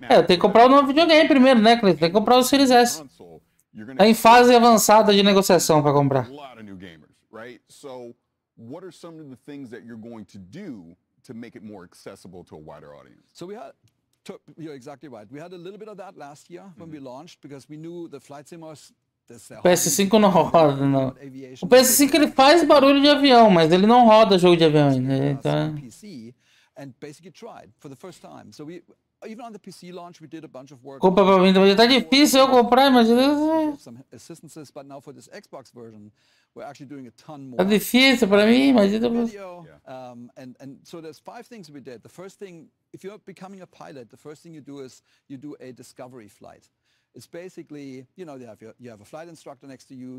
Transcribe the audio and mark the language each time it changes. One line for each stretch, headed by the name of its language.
Portuguese: Now, tem que comprar o novo videogame primeiro, né, Cleiton? Tem que comprar o Series S. Tá em fase avançada de negociação para comprar.
English: A lot of new gamers, right? So, what are some of the things that you're going to do to make it more accessible to a wider audience? So we had You're exactly right. We had a little bit of that last year when we launched, because we knew the flight sim was...
Portuguese: O PS5 não roda, não. O PS5 ele faz barulho de avião, mas ele não roda jogo de avião ainda, então...
English: Even on the PC launch, we did a bunch of work.
Portuguese: Compra pra mim, mas tá difícil eu comprar, imagina.
English: Some assistances, but now for this Xbox version, we're actually doing a ton more.
Portuguese: Tá difícil pra mim, imagina.
English: And so there's five things we did. The first thing, if you're becoming a pilot, the first thing you do is you do a discovery flight. It's basically, you know, you have a flight instructor next to you.